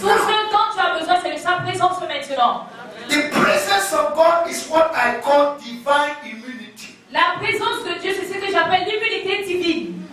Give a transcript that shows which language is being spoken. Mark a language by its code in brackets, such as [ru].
[fr] Tout ce dont tu as besoin, c'est de sa présence maintenant. [en] The presence of God is what I call divine immunity. [fr] La présence de Dieu, c'est ce que j'appelle l'immunité divine.